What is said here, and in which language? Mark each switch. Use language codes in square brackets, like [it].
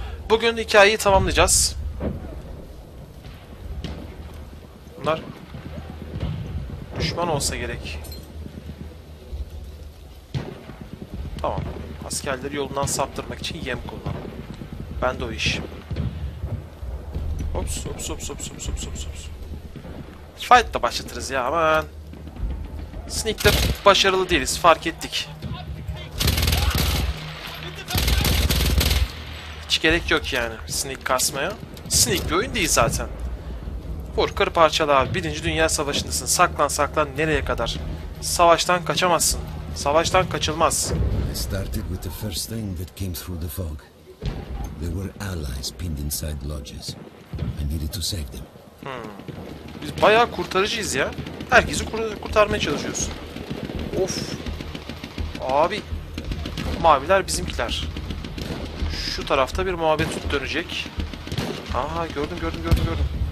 [tr] Bugün hikayeyi tamamlayacağız. Bunlar düşman olsa gerek. Tamam. Askerleri yolundan saptırmak için yem kullan. Ben de o iş. Hops, hops, hops, hops, hops, hops, hops, hops. Fight da başlatırız ya, aman. Sneak'te başarılı değiliz, fark ettik. Hiç gerek yok yani sneak kasmaya. Sneak bir oyun değil zaten. Vur, kır, parçala. Birinci Dünya Savaşı'ndasın. Saklan, saklan, nereye kadar? Savaştan kaçamazsın. Savaştan kaçılmaz. [en] I started with the first thing that came through the fog. There were allies pinned inside lodges. I needed to save them. [tr] Biz bayağı kurtarıcıyız ya. Herkesi kurtarmaya çalışıyoruz. Of. Abi. Maviler bizimkiler. Şu tarafta bir muhabbet dönecek. Aha, gördüm gördüm gördüm gördüm.